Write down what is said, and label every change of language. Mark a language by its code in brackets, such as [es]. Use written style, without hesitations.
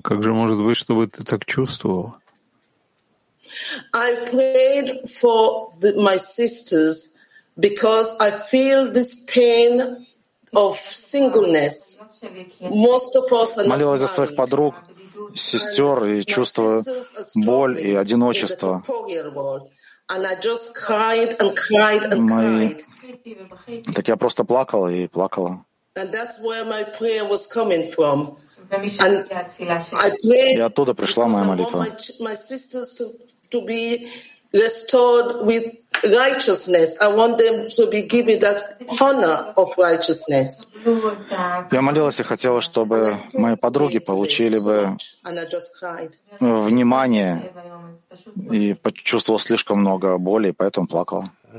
[ru] Как же может быть, чтобы ты так чувствовал? [en] I prayed for my sisters because I feel this pain of singleness. [ru] Молилась за своих подруг, сестер, и чувствую боль и одиночество. Мои... Так я просто плакала и плакала. И оттуда пришла моя молитва. [en] Restored with righteousness. I want them to be given that honor of righteousness. [ru] Я молилась и хотела, чтобы мои подруги получили бы внимание, и почувствовал слишком много боли, и поэтому плакала.